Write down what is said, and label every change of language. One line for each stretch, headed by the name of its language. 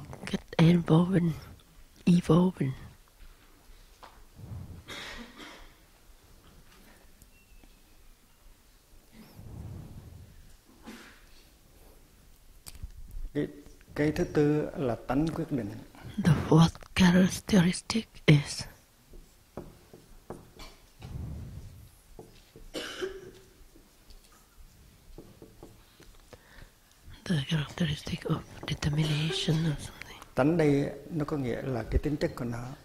English: get evolving, evolving.
Vietnamese: Cái thứ tư là tánh quyết định.
English: The fourth characteristic is the characteristic of determination or something.
Vietnamese: Tánh đây nó có nghĩa là cái tính chất của nó.